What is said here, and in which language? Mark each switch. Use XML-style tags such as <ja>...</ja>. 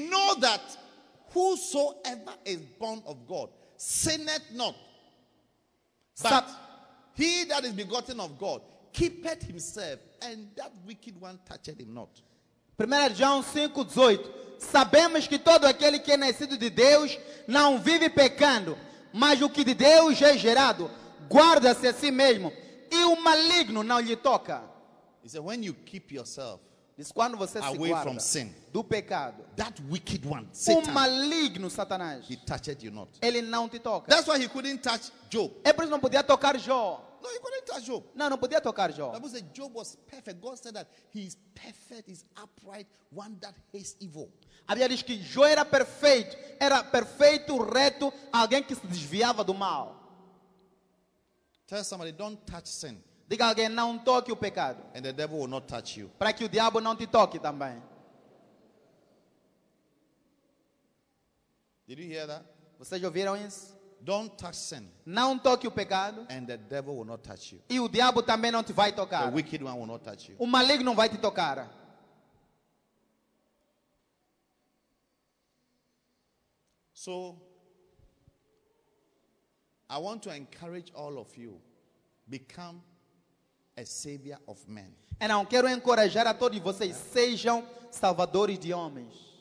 <en>We know that whosoever is born of God sinneth not, but he that is begotten of God keepeth himself, and that wicked one toucheth him not.</en> <pt>1 João 5:18. Sabemos que todo aquele que é nascido de Deus não vive pecando, mas o que de Deus é gerado guarda-se a si mesmo, e o maligno não lhe toca.</pt> <en>He said, when you keep yourself</en> <pt>quando você</pt> <en>away</en> <pt>se guarda</pt> <en>from sin,</en> <pt>do pecado,</pt> <en>that wicked one, Satan,</en> <pt>o maligno Satanás,</pt> <en>he touched you not.</en> <pt>Ele não te toca.</pt> <en>That's why he couldn't touch Job.</en> <pt>É por isso que não podia tocar Jó.</pt> <en>No, he couldn't touch Job.</en> <pt>Não, não podia tocar Jó.</pt> <en>The Bible said Job was perfect. God said that he is perfect, he's upright, one that hates evil.</en> <pt>A Bíblia diz que Jó era perfeito, reto, alguém que se desviava do mal.</pt> <en>Tell somebody, don't touch sin.</en> <pt>Diga a alguém, não toque o pecado.</pt> <en>And the devil will not touch you.</en> <pt>Para que o diabo não te toque também.</pt> <en>Did you hear that?</en> <pt>Vocês ouviram isso?</pt> <en>Don't touch sin.</en> <pt>Não toque o pecado.</pt> <en>And the devil will not touch you.</en> <pt>E o diabo também não te vai tocar.</pt> <en>The wicked one will not touch you.</en> <pt>O maligno vai te tocar.</pt> <en>So, I want to encourage all of you, become a savior of men.</en> <pt>E não quero encorajar a todos vocês, sejam salvadores de homens.</pt>